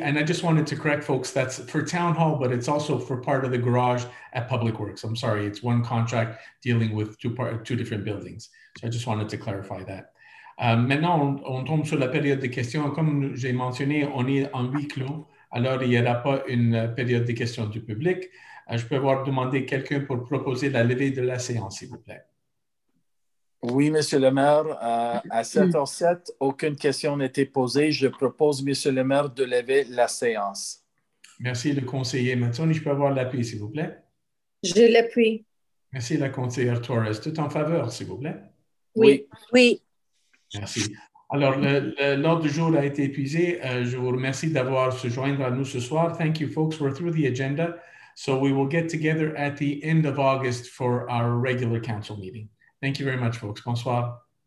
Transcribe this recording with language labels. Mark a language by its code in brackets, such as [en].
[en] And I just wanted to correct folks, that's for Town Hall, but it's also for part of the garage at Public Works. I'm sorry, it's one contract dealing with two different buildings. So I just wanted to clarify that. [fr] Maintenant, on tombe sur la période de questions. Comme j'ai mentionné, on est en huis clos. Alors, il n'y aura pas une période de questions du public. Je peux avoir demandé quelqu'un pour proposer la levée de la séance, s'il vous plaît. Oui, Monsieur le maire, à 7h07, aucune question n'a été posée. Je propose, Monsieur le maire, de lever la séance. Merci, le conseiller Mazzoni. Je peux avoir l'appui, s'il vous plaît? Je l'appuie. Merci, la conseillère Torres. Tout en faveur, s'il vous plaît? Oui. Oui. Merci. Alors, l'ordre du jour a été épuisé. Je vous remercie d'avoir se joindre à nous ce soir. [en] Thank you, folks. We're through the agenda. So we will get together at the end of August for our regular council meeting. Thank you very much, folks. [fr] Bonsoir.